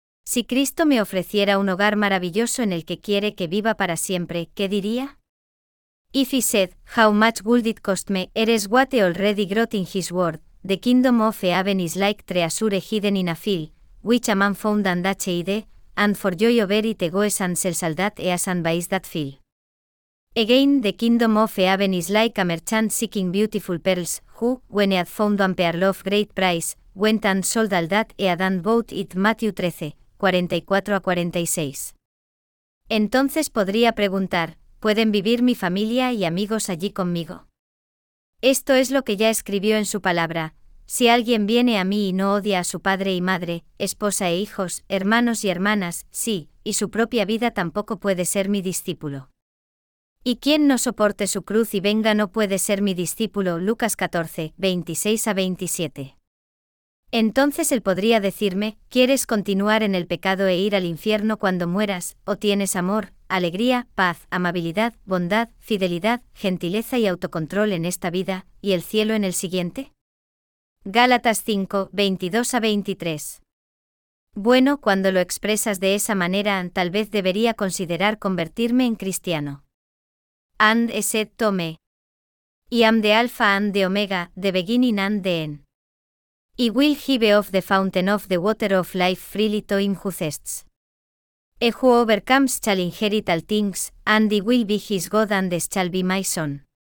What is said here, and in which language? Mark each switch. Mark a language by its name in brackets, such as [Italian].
[Spanish] Si Cristo me ofreciera un hogar maravilloso en el que quiere que viva para siempre, ¿qué diría? [English] If he said, how much would it cost me, eres what he already got in his word, the kingdom of heaven is like treasure hidden in a field, which a man found and that he hid, and for joy over it he goes and sells all that he has and buys that field. Again, the kingdom of heaven is like a merchant seeking beautiful pearls, who, when he had found one pearl of great price, went and sold all that he had and bought it. Matthew 13:44-46. [Spanish] Entonces podría preguntar, ¿pueden vivir mi familia y amigos allí conmigo? Esto es lo que ya escribió en su palabra, si alguien viene a mí y no odia a su padre y madre, esposa e hijos, hermanos y hermanas, sí, y su propia vida tampoco puede ser mi discípulo. Y quien no soporte su cruz y venga no puede ser mi discípulo. Lucas 14:26-27. Entonces él podría decirme, ¿quieres continuar en el pecado e ir al infierno cuando mueras, o tienes amor, alegría, paz, amabilidad, bondad, fidelidad, gentileza y autocontrol en esta vida, y el cielo en el siguiente? Gálatas 5:22-23. Bueno, cuando lo expresas de esa manera, tal vez debería considerar convertirme en cristiano. [English] And he said to me, I am the Alpha and the Omega, the beginning and the end. I will give of the fountain of the water of life freely to him who thirsts. He who overcomes shall inherit all things, and I will be his God and this shall be my son.